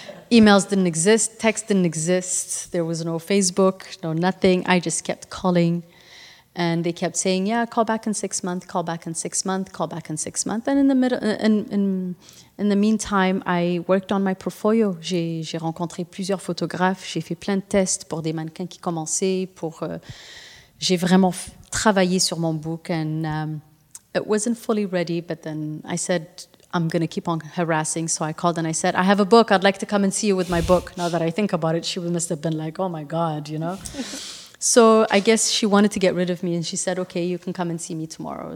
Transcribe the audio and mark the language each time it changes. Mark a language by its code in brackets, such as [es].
[en] Emails didn't exist. Text didn't exist. There was no Facebook, no nothing. I just kept calling. And they kept saying, yeah, call back in 6 months, call back in 6 months, call back in 6 months. And in the middle, in the meantime, I worked on my portfolio. [fr] J'ai rencontré plusieurs photographes. J'ai fait plein de tests pour des mannequins qui commençaient. J'ai vraiment travaillé sur mon book. [en] And it wasn't fully ready, but then I said, I'm going to keep on harassing. So I called and I said, I have a book. I'd like to come and see you with my book. Now that I think about it, she must have been like, oh my God, you know? So I guess she wanted to get rid of me, and she said, okay, you can come and see me tomorrow.